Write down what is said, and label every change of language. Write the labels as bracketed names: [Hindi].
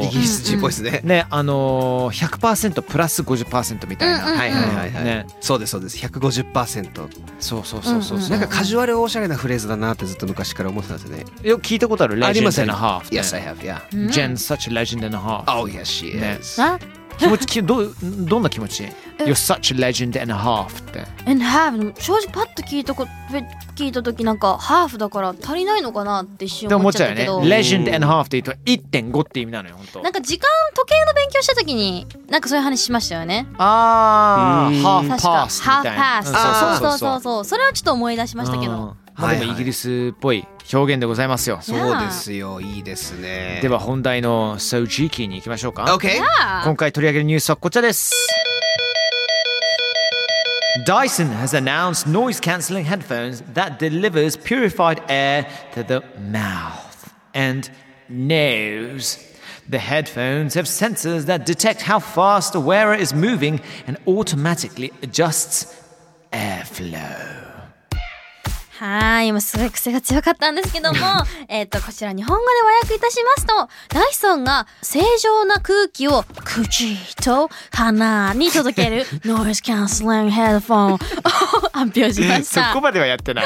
[Japanese] イギリス人っぽいですね、ね、100% プラス 50% みたいな、はいはいはい、はい、ね、そうですそうです、 150% そうそうそうそう、なんかカジュアルオシャレなフレーズだなってずっと昔から思ってたんですね。よく聞いたことある、 [English] legend and a half、ね、yes I have、 yeah、 Jen such a legend and a half、 oh yes she is、ね、 [Japanese] 気持ち、どんな気持ち、 [English] You're such a legend and a half [Japanese] って。 [English] And half? [Japanese] 正直パッと聞いたときなんか、ハーフだから足りないのかなって一瞬思っちゃったけど。でも思っちゃうよね。 Legend and half って言うと 1.5 って意味なのよ、ほんと。なんか時間、時計の勉強したときに、なんかそういう話しましたよね。あー、ハーフパースみたいな。ハーフパース。そうそうそう。それはちょっと思い出しましたけど。まあ、でもイギリスっぽい表現でございますよ、はいはい、そうですよ、いいですね。では本題の So Cheeky に行きましょうか。 [English] OK、 [Japanese] 今回取り上げるニュースはこちらです。 [English] Dyson has announced noise cancelling headphones that delivers purified air to the mouth and nose. The headphones have sensors that detect how fast the wearer is moving and automatically adjusts airflow. [Japanese] はい、今すごい癖が強かったんですけどもこちら日本語で和訳いたしますと、ダイソンが正常な空気を口と鼻に届けるノイズキャンセリングヘッドフォンを発表しました。そこまではやってない